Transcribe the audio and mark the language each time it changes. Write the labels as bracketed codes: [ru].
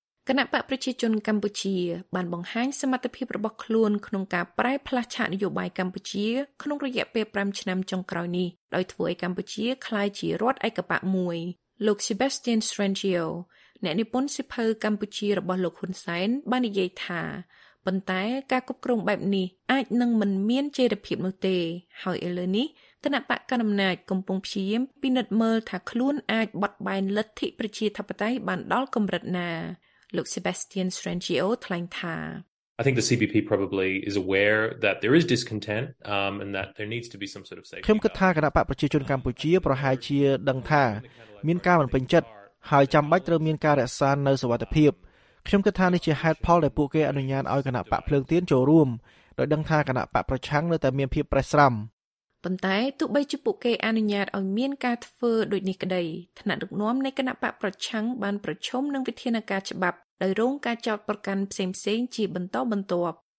[km] គណៈបកប្រជាជនកម្ពុជាបានបង្ហាញសមត្ថភាពរបស់ខ្លួនក្នុងការប្រែផ្លាស់ឆាកនយោបាយកម្ពុជាក្នុងរយៈពេល5ឆ្នាំចុងក្រោយនេះដោយធ្វើឲ្យកម្ពុជាក្លាយជារដ្ឋឯកបកមួយលោក Sebastian Strangio អ្នកនិពន្ធសិភៅកម្ពុជារបស់លោកហ៊ុនសែនបាននិយាយថា ប៉ុន្តែការគ្រប់គ្រងបែបនេះអាចនឹងមិនមានចេរភាពនោះទេហើយឥឡូវនេះគណៈបកកណ្ដាលអំណាចកំពុងព្យាយាមពិនិត្យមើលថាខ្លួនអាចបត់បែនលទ្ធិប្រជាធិបតេយ្យបានដល់កម្រិតណាលោក Sebastian Strangio ថ្លែងថា [en] I think the CBP probably is aware that there is discontent and that there needs to be some sort of safety [km] ខ្ញុំគិតថាគណៈបកប្រជាជនកម្ពុជាប្រហែលជាដឹងថាមានការមិនពេញចិត្តហើយចាំបាច់ត្រូវមានការរក្សានៅសុវត្ថិភាពខ្ញុំគិតថានេះជាហេតុផលដែលពួកគេអនុញ្ញាតឲ្យគណៈបកភ្លើងទៀនចូលរួមដោយដឹងថាគណៈបកប្រឆាំងនៅតែមានភាពប្រេះស្រាំ ប៉ុន្តែទោះបីជាពួកគេអនុញ្ញាតឲ្យមានការធ្វើដូចនេះក្តីថ្នាក់ដឹកនាំនៃគណៈបកប្រឆាំងបានប្រឈមនឹងវិធានការច្បាប់ដោយរងការចោទប្រកាន់ផ្សេងៗជាបន្តបន្ទាប់